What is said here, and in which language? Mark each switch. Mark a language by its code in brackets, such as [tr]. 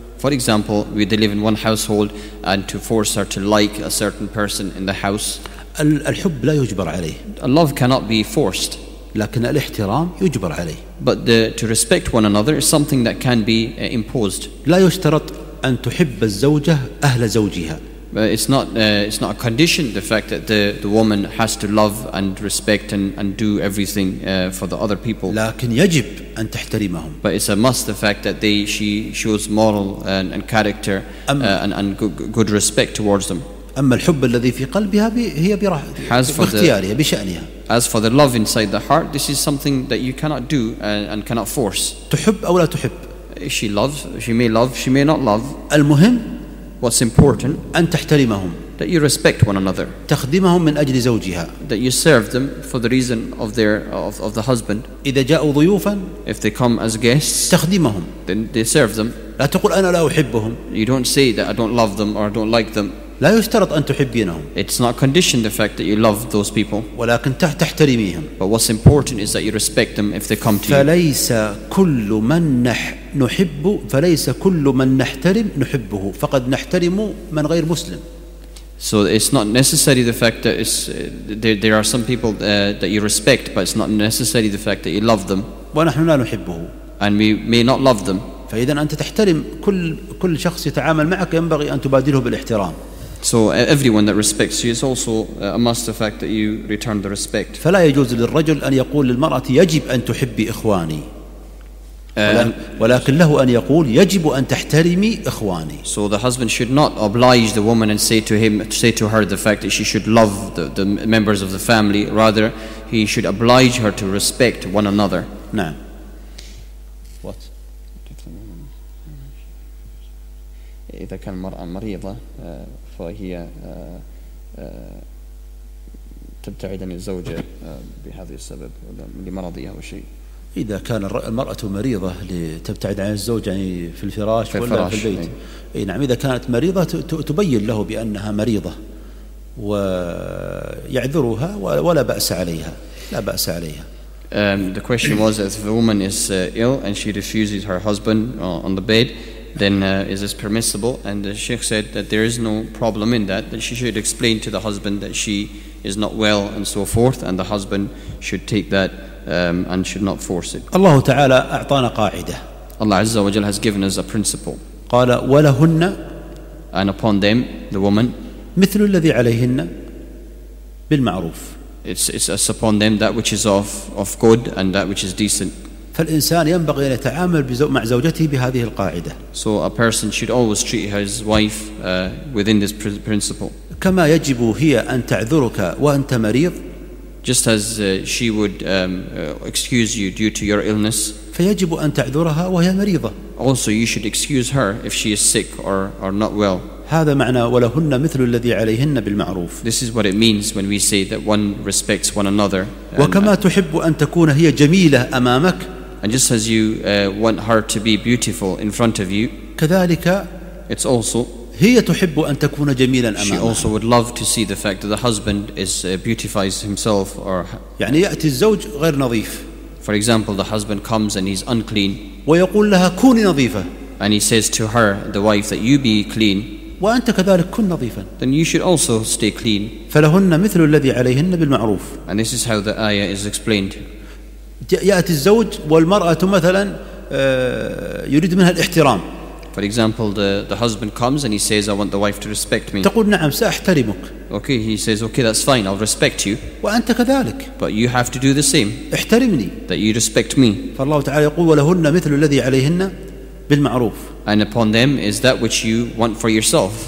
[en] For example, we live in one household and to force her to like a certain person in the house. [ar] الحب لا يجبر عليه. [en] A love cannot be forced. [ar] لكن الاحترام يجبر عليه. [en] But to respect one another is something that can be imposed. [ar] لا يشترط أن تحب الزوجة أهل زوجها. [en] It's not a condition. The fact that the woman has to love and respect and do everything for the other people. [ar] لكن يجب أن تحترمهم. [en] But it's a must. The fact that she shows moral and character and good respect towards them. [ar] أما الحب الذي في قلبها هي باختيارها بشأنها. [en] As for the love inside the heart, this is something that you cannot do and cannot force. [ar] تحب أو لا تحب. [en] She loves, she may love, she may not love. [ar] المهم, [en] what's important, [ar] أن تحترمهم, [en] that you respect one another. [ar] تخدمهم من أجل زوجها, [en] that you serve them for the reason of their the husband. [ar] إذا جاءوا ضيوفا, [en] if they come as guests, [ar] تخدمهم, [en] then they serve them. [ar] لا تقول أنا لا أحبهم. [en] You don't say that I don't love them or I don't like them. [ar] لا يشترط أن تحبينهم. [en] It's not conditioned the fact that you love those people. [ar] ولكن تحترميهم. [en] But what's important is that you respect them if they come to you. [ar] فليس كل من نحب فليس كل من نحترم نحبه فقد نحترم من غير مسلم. [en] So it's not necessary the fact that there are some people that you respect, but it's not necessary the fact that you love them. [ar] ونحن لا نحبه. [en] And we may not love them. [ar] فإذا أنت تحترم كل شخص يتعامل معك ينبغي أن تبادله بالاحترام. [en] So everyone that respects you is also a must the fact that you return the respect. [ar] فلا يجوز للرجل أن يقول للمرأة يجب أن تحبي إخواني. ولكن له أن يقول يجب أن تحترمي إخواني. [en] So the husband should not oblige the woman and say to her the fact that she should love the members of the family. Rather, he should oblige her to respect one another. [ar] نعم. [en] What? [ar] إذا كان المرأة مريضة. فهي تبتعد عن الزوجة بهذا السبب لمرضها وشيء. إذا كان المرأة مريضة لتبتعد عن الزوج يعني في الفراش ولا في البيت. أي نعم إذا كانت مريضة تبين له بأنها مريضة ويعذرها ولا بأس عليها. لا بأس عليها. [en] The question was if a woman is ill and she refuses her husband on the bed. Then is this permissible? And the sheikh said that there is no problem in that. That she should explain to the husband that she is not well and so forth, and the husband should take that and should not force it. [ar] Allah Taala أعطانا قاعدة. [en] Allah Azza wa Jalla has given us a principle. [ar] قال ولهن. [en] And upon them, the woman. [ar] مثل الذي عليهن بالمعروف. [en] It's upon them that which is of good and that which is decent. [ar] فالإنسان ينبغي أن يتعامل مع زوجته بهذه القاعدة. [en] So a person should always treat his wife within this principle. [ar] كما يجب هي أن تعذرك وأنت مريض. [en] Just as she would excuse you due to your illness. [ar] فيجب أن تعذرها وهي مريضة. [en] Also you should excuse her if she is sick or not well. [ar] هذا معنى ولهن مثل الذي عليهن بالمعروف. [en] This is what it means when we say that one respects one another. [ar] وكما تحب أن تكون هي جميلة أمامك. [en] And just as you want her to be beautiful in front of you. [ar] كذلك. [en] It's also. [ar] هي تحب أن تكون جميلا أمامها. [en] She also would love to see the fact that the husband is beautifies himself or. [ar] يعني يأتي الزوج غير نظيف. [en] For example, the husband comes and he's unclean. [ar] ويقول لها كوني نظيفة. [en] And he says to her, the wife, that you be clean. [ar] وأنت كذلك كن نظيفا. [en] Then you should also stay clean. [ar] فلهن مثل الذي عليهن بالمعروف. [en] And this is how the ayah is explained. [ar] يأتي الزوج والمرأة مثلا يريد منها الاحترام. [en] For example, the husband comes and he says, "I want the wife to respect me." [ar] تقول نعم سأحترمك. [en] Okay, he says, "Okay, that's fine. I'll respect you." [ar] وأنت كذلك. [en] But you have to do the same. [ar] احترمني. [en] That you respect me. [ar] فالله تعالى يقول ولهن مثل الذي عليهن بالمعروف. [en] And upon them is that which you want for yourself.